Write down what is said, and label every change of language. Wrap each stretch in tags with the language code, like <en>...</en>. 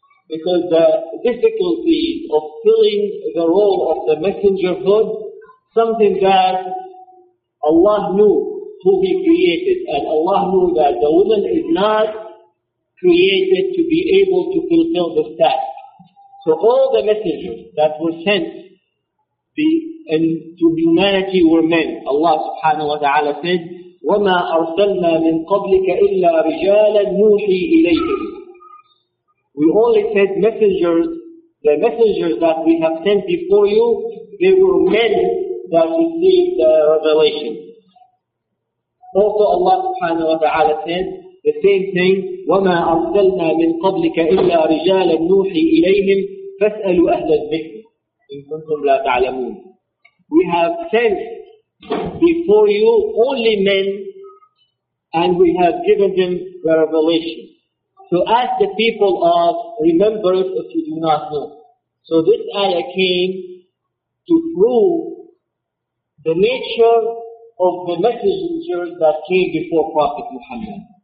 <en>Because the difficulty of filling the role of the messengerhood, something that Allah knew who He created, and Allah knew that the woman is not created to be able to fulfill this task. So all the messengers that were sent to humanity were men. Allah subhanahu wa ta'ala said,</en> <ar>وَمَا أَرْسَلْنَا مِنْ قَبْلِكَ إِلَّا رِجَالًا نُوحِي إِلَيْهِمْ.</ar> <en>We only sent messengers, the messengers that we have sent before you, they were men that received the revelation. Also Allah subhanahu wa ta'ala said the same thing,</en> <ar>وَمَا أَرْسَلْنَا مِنْ قَبْلِكَ إِلَّا رِجَالًا نُوحِي إِلَيْهِمْ فَاسْأَلُوا أَهْلَ الذِّكْرِ إِنْ كُنْتُمْ لَا تَعْلَمُونَ.</ar> <en>We have sent before you only men, and we have given them the revelation. So ask the people of remembrance if you do not know. So this ayah came to prove the nature of the messengers that came before Prophet Muhammad.</en>